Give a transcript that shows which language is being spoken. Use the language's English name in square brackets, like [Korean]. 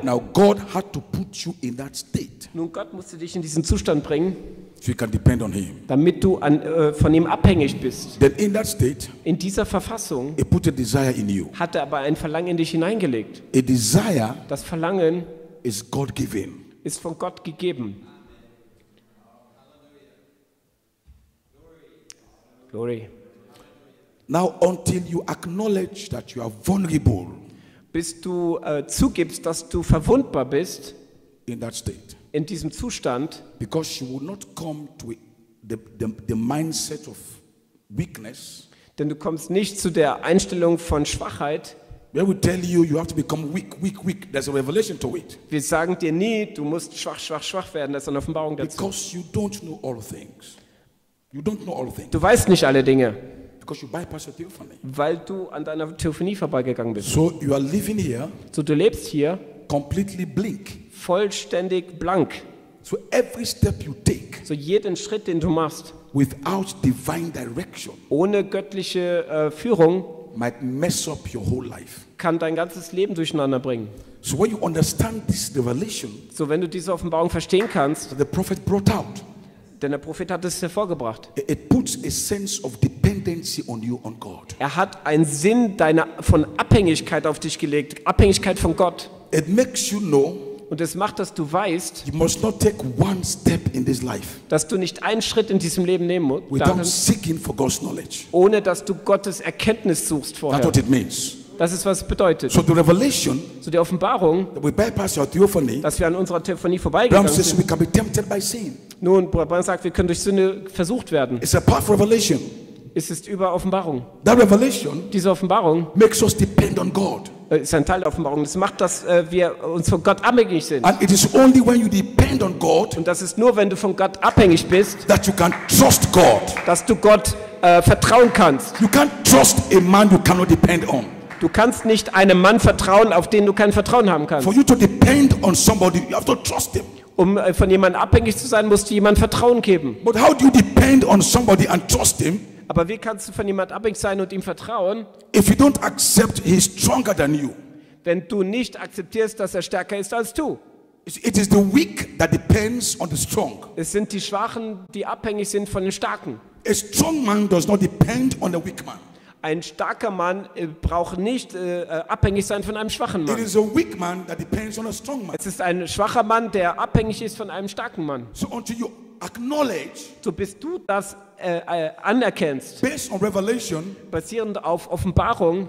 [English] Now God had to put you in that state. [German] Nun, Gott musste dich in diesen Zustand bringen, [English] so you can depend on him, [German] damit du an, von ihm abhängig bist. [English] Then in that state, [German] in dieser Verfassung, [English] he put a desire in you, [German] hat er aber ein Verlangen in dich hineingelegt. [English] A desire, [German] das Verlangen, [English] is God given, [German] ist von Gott gegeben. [English] Glory. Now until you acknowledge that you are vulnerable, [German] bis du zugibst, dass du verwundbar bist, [English] in that state, [German] in diesem Zustand, [English] because you will not come to the mindset of weakness, [German] denn du kommst nicht zu der Einstellung von Schwachheit. [English] We will tell you, you have to become weak, weak, weak. There's a revelation to it. [German] Wir sagen dir nie, du musst schwach, schwach, schwach werden. Das ist eine Offenbarung dazu. [English] Because you don't know all things. You don't know all things. [German] Du weißt nicht alle Dinge. [English] Because you bypassed your theophany. [German] Weil du an deiner Theophanie vorbeigegangen bist. [English] So you are living here. [German] So du lebst hier. [English] Completely blank. [German] Vollständig blank. [English] So every step you take, [German] so jeden Schritt, den du machst, [English] without divine direction, [German] ohne göttliche Führung, [English] might mess up your whole life, [German] kann dein ganzes Leben durcheinander bringen. [English] So when you understand this revelation, [German] so wenn du diese Offenbarung verstehen kannst, [English] the prophet brought out, [German] denn der Prophet hat es hervorgebracht, [English] it puts a sense of dependency on you, on God. [German] Er hat einen Sinn deiner, von Abhängigkeit auf dich gelegt, Abhängigkeit von Gott. [English] It makes you know, [German] und es macht, dass du weißt, [English] you must not take one step in this life, [German] dass du nicht einen Schritt in diesem Leben nehmen musst, [English] seeking for God's knowledge, [German] ohne dass du Gottes Erkenntnis suchst vorher. [English] That's what it means. [German] Das ist, was es bedeutet. [English] So, the revelation, [German] so die Offenbarung, [English] that we bypass your theophany, [German] dass wir an unserer Theophanie vorbeigegangen sind, [English] we can be tempted by sin. [German] Nun, Brian sagt, wir können durch Sünde versucht werden. [English] It's a part of revelation. [German] Es ist über Offenbarung. [English] That revelation, [German] diese Offenbarung, [English] makes us depend on God. [German] Ist ein Teil der Offenbarung. Das macht, dass wir uns von Gott abhängig sind. [English] And it is only when you depend on God, [German] und das ist nur, wenn du von Gott abhängig bist, [English] that you can trust God. [German] Dass du Gott vertrauen kannst. [English] You can't trust a man you cannot depend on. [German] Du kannst nicht einem Mann vertrauen, auf den du kein Vertrauen haben kannst. [English] For you to depend on somebody, you have to trust him. [German] Um von jemandem abhängig zu sein, musst du jemandem Vertrauen geben. [English] But how do you depend on somebody and trust him? [German] Aber wie kannst du von jemandem abhängig sein und ihm vertrauen? [English] If you don't accept he is stronger than you. [German] Wenn du nicht akzeptierst, dass er stärker ist als du. [English] It is the weak that depends on the strong. [German] Es sind die Schwachen, die abhängig sind von den Starken. [English] A strong man does not depend on a weak man. [German] Ein starker Mann braucht nicht abhängig sein von einem schwachen Mann. [English] It is a weak man that depends on a strong man. [German] Es ist ein schwacher Mann, der abhängig ist von einem starken Mann. [English] So until you acknowledge, [German] so bis du das anerkennst, [English] based on revelation, [German] basierend auf Offenbarung,